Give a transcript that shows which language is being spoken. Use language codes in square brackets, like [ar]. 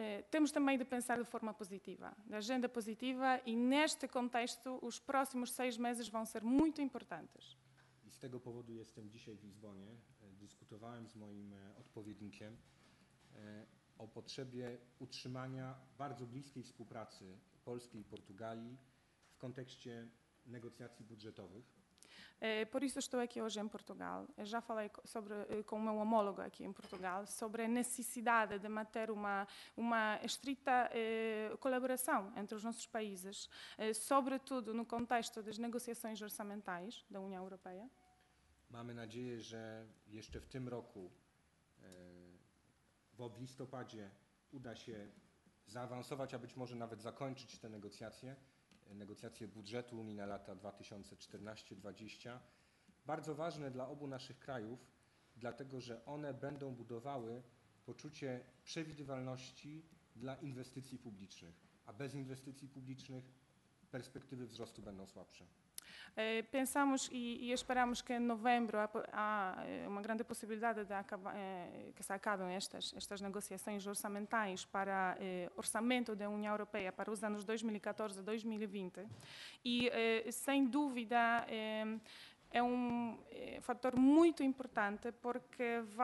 [pt] Temos também de pensar de forma positiva, de agenda positiva i neste contexto os próximos 6 meses vão ser muito importantes. [pl] I z tego powodu jestem dzisiaj w Lizbonie, dyskutowałem z moim odpowiednikiem o potrzebie utrzymania bardzo bliskiej współpracy Polski i Portugalii w kontekście negocjacji budżetowych. [pt] Por isso estou aqui hoje em Portugal. Eu já falei com o meu homólogo aqui em Portugal sobre a necessidade de manter uma estrita colaboração entre os nossos países, sobretudo no contexto das negociações orçamentais da União Europeia. [pl] Mamy nadzieję, że jeszcze w tym roku, w listopadzie, uda się zaawansować, a być może nawet zakończyć te negocjacje. Negocjacje budżetu Unii na lata 2014-2020, bardzo ważne dla obu naszych krajów, dlatego że one będą budowały poczucie przewidywalności dla inwestycji publicznych, a bez inwestycji publicznych perspektywy wzrostu będą słabsze. [pt] Pensamos e esperamos que em novembro há uma grande possibilidade de que se acabem estas negociações orçamentais para orçamento da União Europeia para os anos 2014 a 2020 e sem dúvida é um fator muito importante porque